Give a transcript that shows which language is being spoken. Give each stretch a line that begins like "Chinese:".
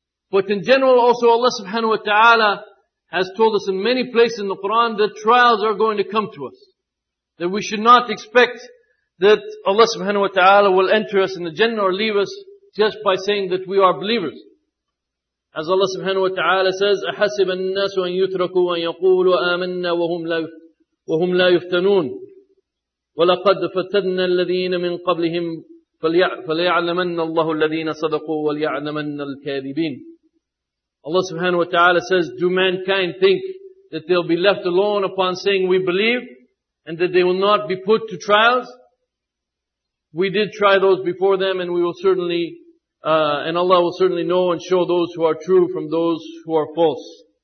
English: But in general also Allah subhanahu wa ta'ala has told us in many places in the Quran that trials are going to come to us. That we should not expect that Allah subhanahu wa ta'ala will enter us in the Jannah or leave us just by saying that we are believers. As Allah subhanahu wa ta'ala says,
Arabic: أَحَسِبَ النَّاسُ أَن يُتْرَكُوا أَن يَقُولُوا آمَنَّا وَهُمْ لَا يُفْتَنُونَ وَلَقَدْ فَتَنَّا الَّذِينَ مِنْ قَبْلِهِمْ فَلْيَعْلَمَنَّ اللَّهُ الَّذِينَ صَدَقُوا وَلْيَعْلَمَنَّ الْكَاذِبِينَ.
English: Allah subhanahu wa ta'ala says, do mankind think that they'll be left alone upon saying we believe and that they will not be put to trials? We did try those before them and we will certainly and Allah will certainly know and show those who are true from those who are false.